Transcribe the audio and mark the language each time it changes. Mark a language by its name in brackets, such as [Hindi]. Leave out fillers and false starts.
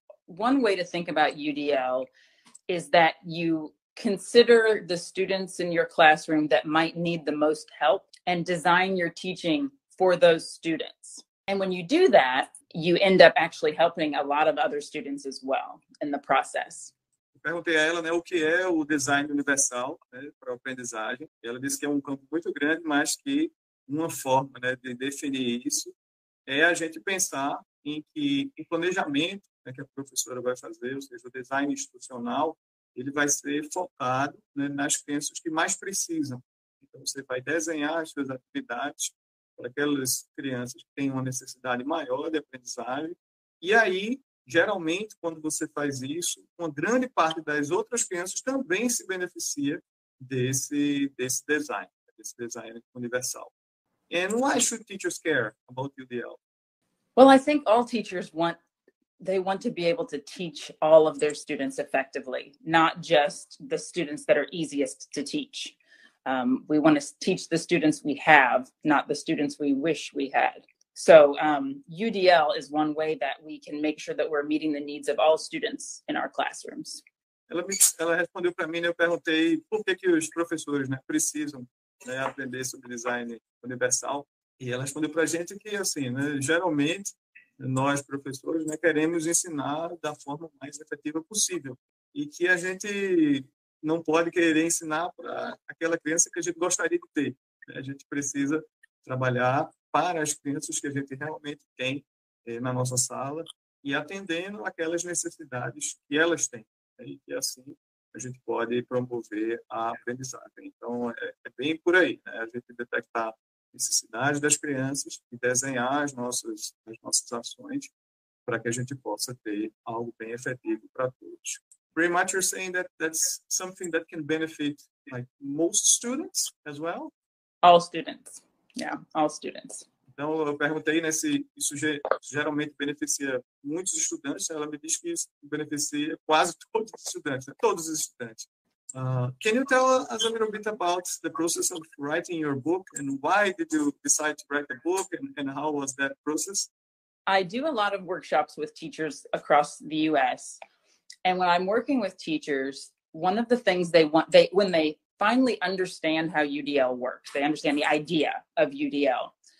[English] One way to think about UDL is that you consider the students in your classroom that might need the most help and design your teaching for those students. And when you do that, you end up actually helping a lot of other students as well in the process. [Portuguese] Perguntei a ela, né, o que é o design universal, né, para aprendizagem. E ela disse que é um campo muito grande, mas que uma forma, né, de definir isso é a gente pensar em que o planejamento, né, que a professora vai fazer, ou seja, o design institucional, ele vai ser focado, né, nas crianças que mais precisam. Então, você vai desenhar as suas atividades para aquelas crianças que têm uma necessidade maior de aprendizagem. E aí, geralmente, quando você faz isso, uma grande parte das outras crianças também se beneficia desse design universal. [English] And why should teachers care about UDL? Well, I think all teachers want, they want to be able to teach all of their students effectively, not just the students that are easiest to teach. We want to teach the students we have, not the students we wish we had. So UDL is one way that we can make sure that we're meeting the needs of all students in our classrooms. [Portuguese] Ela respondeu para mim, né? Eu perguntei por que que os professores, né, precisam, né, aprender sobre design universal. E ela respondeu para a gente que, assim, né, geralmente, nós, professores, né, queremos ensinar da forma mais efetiva possível. E que a gente não pode querer ensinar para aquela criança que a gente gostaria de ter. Né? A gente precisa trabalhar para as crianças que a gente realmente tem na nossa sala e atendendo aquelas necessidades que elas têm. E assim a gente pode promover a aprendizagem. Então, é bem por aí, né? A gente detectar necessidades das crianças e desenhar as nossas ações para que a gente possa ter algo bem efetivo para todos. [English] Pretty much you're saying that that's something that can benefit like most students as well? All students. Yeah, all students. [Portuguese] Então, eu perguntei, né, se isso geralmente beneficia muitos estudantes. Ela me disse que isso beneficia quase todos os estudantes. Né? Todos os estudantes. [English] Can you tell us a little bit about the process of writing your book and why did you decide to write the book and how was that process? I do a lot of workshops with teachers across the U.S. And when I'm working with teachers, one of the things they want, they when they finally understand how UDL works, they understand the idea of UDL.